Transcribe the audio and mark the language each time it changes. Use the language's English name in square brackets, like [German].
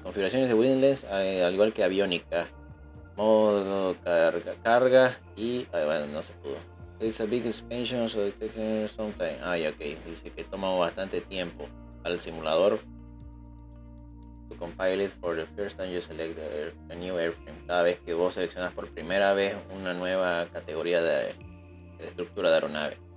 [Spanish] Configuraciones de winglets, al igual que aviónica. Modo carga y... Ah, bueno, no se pudo. [English] It's a big expansion, so it takes some time. [Spanish] Ay, ok. Dice que toma bastante tiempo al simulador. [English] To compile it for the first time, you select a new airframe. [Spanish] Cada vez que vos seleccionas por primera vez una nueva categoría de estructura de aeronave.